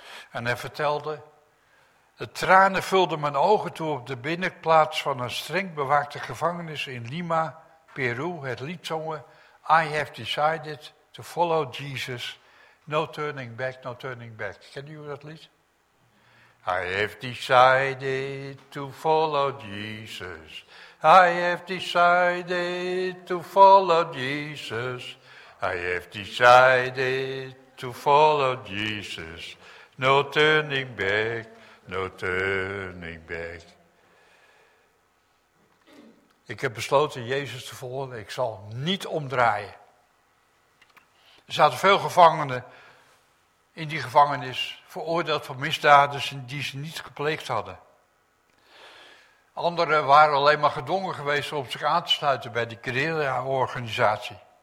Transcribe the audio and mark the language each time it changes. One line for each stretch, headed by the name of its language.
Dutch: En hij vertelde: de tranen vulden mijn ogen toen op de binnenplaats van een streng bewaakte gevangenis in Lima, Peru, het lied zongen:
English: I have decided to follow Jesus. No turning back, no turning back.
Dutch: Ken je dat lied?
English: I have decided to follow Jesus. I have decided to follow Jesus. I have decided to follow Jesus. No turning back, no turning back.
Dutch: Ik heb besloten Jezus te volgen. Ik zal niet omdraaien. Er zaten veel gevangenen in die gevangenis, veroordeeld voor misdaden die ze niet gepleegd hadden. Anderen waren alleen maar gedwongen geweest om zich aan te sluiten bij de guerrilla-organisatie.